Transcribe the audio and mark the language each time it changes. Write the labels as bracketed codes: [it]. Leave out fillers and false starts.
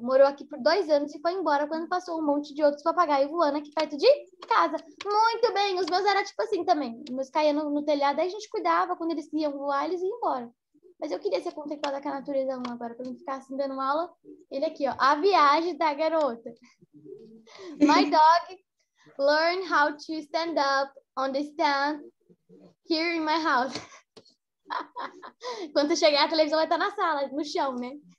[pt] Morou aqui por 2 anos e foi embora quando passou um monte de outros papagaios voando aqui perto de casa. Muito bem! Os meus eram tipo assim também. Os meus caíam no telhado, aí a gente cuidava. Quando eles iam voar, eles iam embora. Mas eu queria ser contemplada com a natureza agora, pra não ficar assim dando aula. Ele aqui, ó. A viagem da garota. [en] My dog learned how to stand up on the stand here in my house. [pt] Quando chegar, a televisão vai estar na sala, no chão, né?